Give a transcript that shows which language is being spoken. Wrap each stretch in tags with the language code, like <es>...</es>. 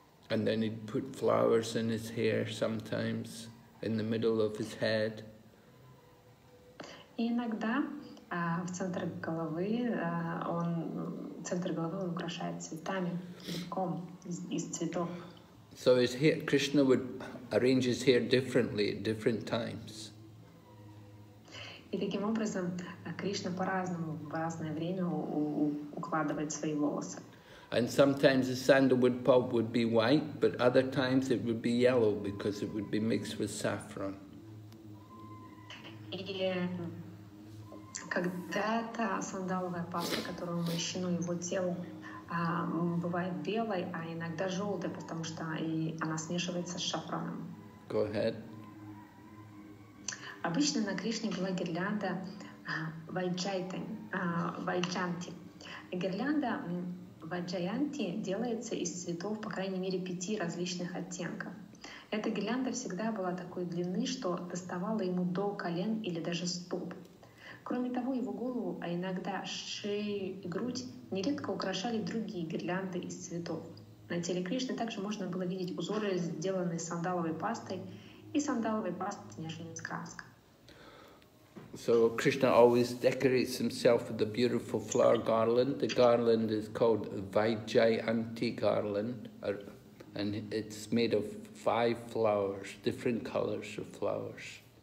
<en>And then he put flowers in his hair sometimes, in the middle of his head.</en> <ru>И иногда в центр головы он украшает цветами, цветком из цветов.</ru> <en>So his hair, Krishna would arrange his hair differently at different times.</en> <ru>И таким образом Кришна по-разному в разное время укладывает свои волосы.</ru> <en>And sometimes the sandalwood pulp would be white, but other times it would be yellow because it would be mixed with saffron.</en> <ru>Когда-то сандаловая паста, которую умощено его телу, бывает белой, а иногда желтой, потому что она смешивается с шафраном.</ru> <en>Go ahead.</en> <ru>Обычно на Кришне была гирлянда вайджанти. Гирлянда вайджанти делается из цветов по крайней мере 5 различных оттенков. Эта гирлянда всегда была такой длины, что доставала ему до колен или даже стоп. Кроме того, его голову, а иногда шею и грудь, нередко украшали другие гирлянды из цветов. На теле Кришны также можно было видеть узоры, сделанные сандаловой пастой, и сандаловой пастой смешанной с краской.</ru> <en>So Krishna always decorates himself with a beautiful flower garland. The garland is called Vaijayanti garland, and it's made of 5 flowers, different colors of flowers.</en>